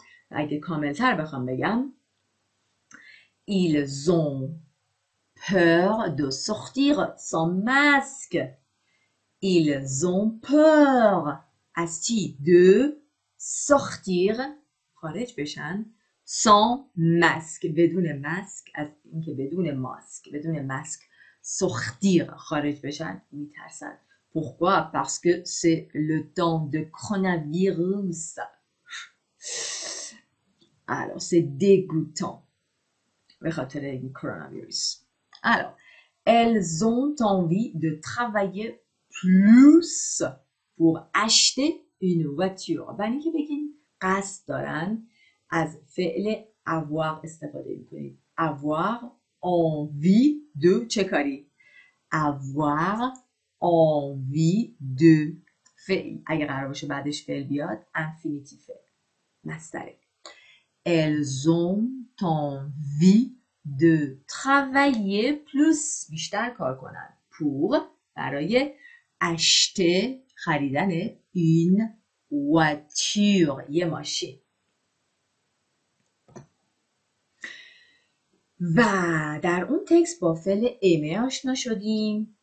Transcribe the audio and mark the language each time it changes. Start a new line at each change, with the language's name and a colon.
Persian: اگه کامل تر بخوام بگم
French: ils ont peur de sortir sans masque. ils ont peur.
Persian: از چی؟ de sortir، خارج بشن، sans masque، بدون ماسک، از اینکه بدون ماسک، بدون ماسک sortir، خارج بشن، میترسن.
French: pourquoi؟ parce que c'est le temps de coronavirus. alors c'est dégoûtant.
Persian: به خاطر این coronavirus.
French: alors elles ont envie de travailler plus pour acheter une voiture.
Persian: بعد اینکه بگین قصد دارن از فعل avoir استفاده میکنید.
French: avoir envie de
Persian: چه کاری؟
French: avoir envie de فعل.
Persian: اگه قرار باشه بعدش فعل بیاد، infinitive فعل. مصدره.
French: elles ont envie de travailler plus،
Persian: بیشتر کار کنن. pour، برای acheter، خریدن،
French: une voiture،
Persian: یه ماشین. و در اون تکست با فعل ایمه آشنا شدیم.